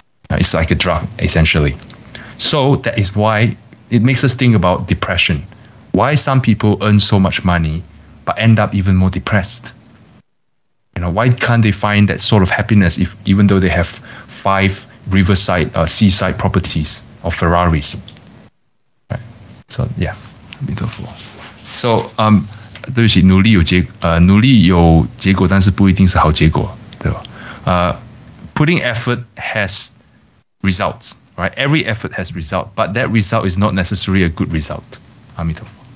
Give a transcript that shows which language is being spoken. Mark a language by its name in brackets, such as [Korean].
[English] It's like a drug essentially. So that is why it makes us think about depression. Why some people earn so much money but end up even more depressed? You know, why can't they find that sort of happiness if even though they have 5 riverside seaside properties or Ferraris? Right. So yeah, beautiful. [Chinese] So 对不起, 努力有结果, 但是不一定是好结果, 对吧? [English] Putting effort has results, right? Every effort has result, but that result is not necessarily a good result. [Chinese] 阿弥陀佛.